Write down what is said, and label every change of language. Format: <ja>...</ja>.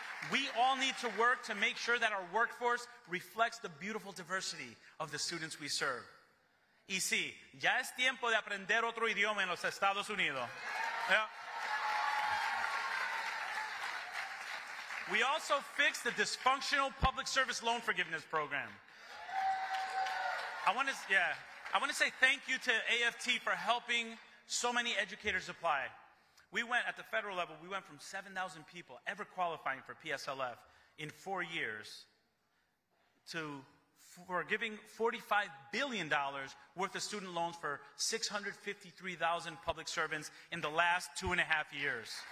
<en>We all need to work to make sure that our workforce reflects the beautiful diversity of the students we serve.</en> <es>Y sí, ya es tiempo de aprender otro idioma en los Estados Unidos.</es> <en>Yeah. We also fixed the dysfunctional public service loan forgiveness program. I want to say thank you to AFT for helping so many educators apply. We went, at the federal level, we went from 7,000 people ever qualifying for PSLF in 4 years to forgiving $45 billion worth of student loans for 653,000 public servants in the last 2.5 years.</en>